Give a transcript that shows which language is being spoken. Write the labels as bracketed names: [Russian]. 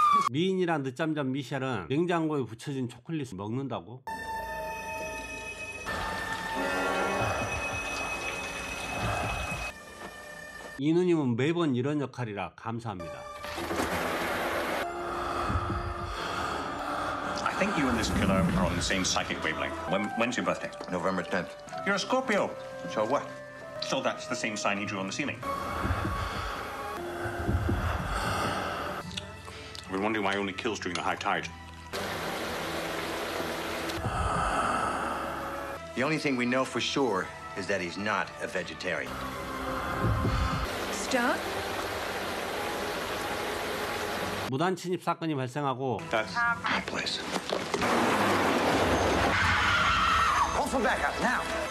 [Korean] 미인이란 늦잠잔 미셸은 냉장고에 붙여진 초콜릿을 먹는다고? 이 누님은 매번 이런 역할이라 감사합니다. [English] I think you and this killer are on the same psychic wavelength. When's your birthday? November 10th. You're a Scorpio. So what? So that's the same sign he drew on the ceiling. I've been wondering why he only kills during the high tide. The only thing we know for sure is that he's not a vegetarian. Stop. [Korean] 무단 침입 사건이 발생하고 [English] That's my place. Call for backup now.